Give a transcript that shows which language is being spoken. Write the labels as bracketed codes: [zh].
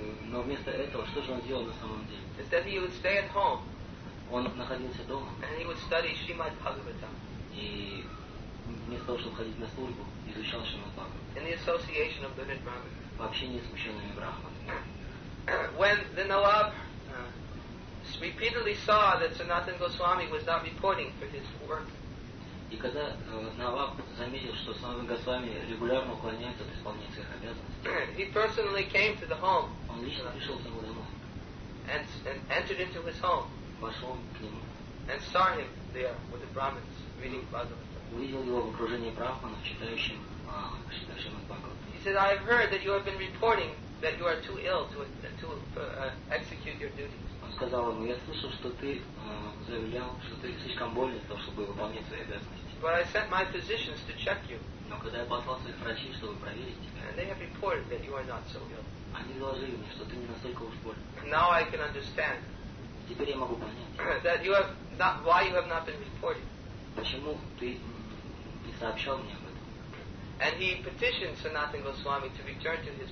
[ru] но вместо этого, что же он делал на самом деле? [en] Instead, he would stay at home. [ru] Он находился дома. [en] And he would study Shrimad Bhagavatam. [ru] И вместо того, чтобы ходить на службу, изучал Шримад Бхагаватам. [en] In the association of learned Brahmins. [ru] В общении с ученными брахманами. [en] When the Nawab repeatedly saw that Sanatana Goswami was not reporting for his work. [ru] И когда Наваб заметил, что Санатана Госвами регулярно уклоняется от исполнения своих обязанностей, [en] he personally came to the home. [ru] Он лично пришел к нему домой. [en] And entered into his home. [ru] Вошел к нему. [en] And saw him there with the Brahmins reading Bhagavatam. [ru] Увидел его в окружении брахманов, читающим Бхагаватам. [en] He said, "I have heard that you have been reporting that you are too ill to execute your duties." [ru] Сказал ему, я слышал, что ты заявлял, что ты слишком болен для того, чтобы выполнять свои обязанности. [en] But I sent my physicians to check you. [ru] Но когда я послал своих врачей, чтобы проверить тебя, [en] and they have reported that you are not so ill. [ru] Они доложили мне, что ты не настолько уж болен. [en] Now I can understand. [ru] Теперь я могу понять. [en] That you have not, why you have not been reported. [ru] Почему ты не сообщал мне об этом? [en] And he petitioned Sanatana Goswami to return to his